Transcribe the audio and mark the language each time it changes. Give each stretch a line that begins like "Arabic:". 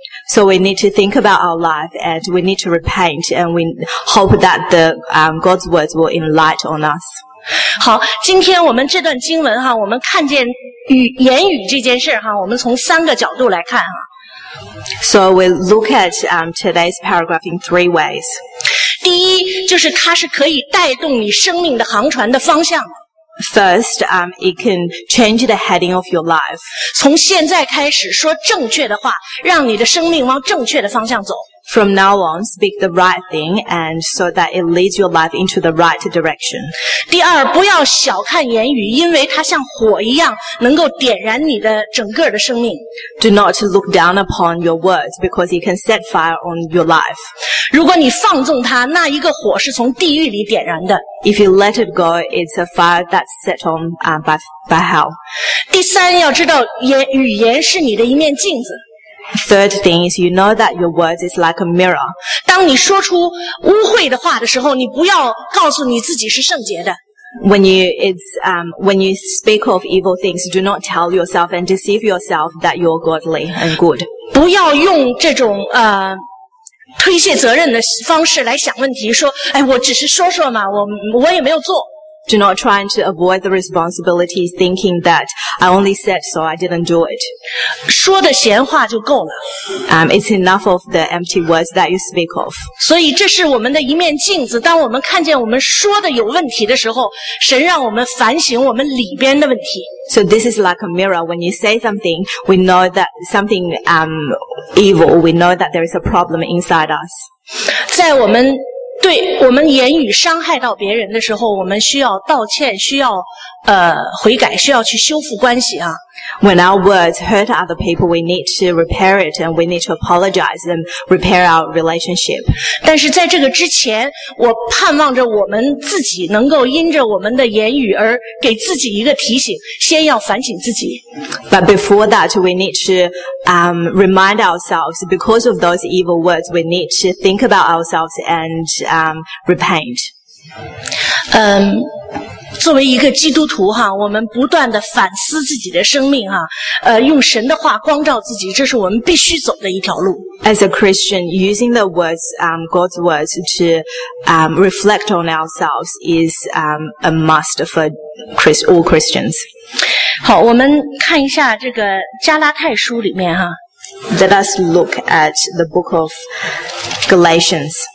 English: So we need to think about our life and we need to repent and we hope that the God's words will enlighten on us.
Chinese: 好，今天我们这段经文哈，我们看见言语这件事哈，我们从三个角度来看哈。
English: So we look at today's paragraph in three ways.
Chinese: 第一，就是它是可以带动你生命的航船的方向。
English: First, it can change the heading of your life.
Chinese: 从现在开始说正确的话，让你的生命往正确的方向走。
English: From now on, speak the right thing, and so that it leads your life into the right direction.
Chinese: 第二，不要小看言语，因为它像火一样，能够点燃你的整个的生命。
English: Do not look down upon your words, because it can set fire on your life.
Chinese: 如果你放纵它，那一个火是从地狱里点燃的。
English: If you let it go, it's a fire that's set on by hell.
Chinese: 第三，要知道语言是你的一面镜子。
English: Third thing is you know that your words is like a mirror.
Chinese: 当你说出污秽的话的时候，你不要告诉你自己是圣洁的。
English: When you speak of evil things, do not tell yourself and deceive yourself that you're godly and good.
Chinese: 不要用这种推卸责任的方式来想问题，说哎，我只是说说嘛，我也没有做。
English: Do not try to avoid the responsibility thinking that I only said so, I didn't do it.
Chinese: 说的闲话就够了。
English: It's enough of the empty words that you speak of.
Chinese: 所以这是我们的一面镜子，当我们看见我们说的有问题的时候，神让我们反省我们里边的问题。
English: So this is like a mirror. When you say something, we know that something evil, we know that there is a problem inside us.
Chinese: 在我们对我们言语伤害到别人的时候，我们需要道歉，需要悔改，需要去修复关系啊。
English: When our words hurt other people, we need to repair it and we need to apologize and repair our relationship.
Chinese: 但是在这个之前，我盼望着我们自己能够因着我们的言语而给自己一个提醒，先要反省自己。
English: But before that, we need to remind ourselves because of those evil words, we need to think about ourselves and repent.
Chinese: 作为一个基督徒哈，我们不断的反思自己的生命哈，用神的话光照自己，这是我们必须走的一条路。
English: As a Christian, using the words, God's words to reflect on ourselves is a must for all Christians.
Chinese: 好，我们看一下这个加拉太书里面哈。
English: Let us look at the book of Galatians.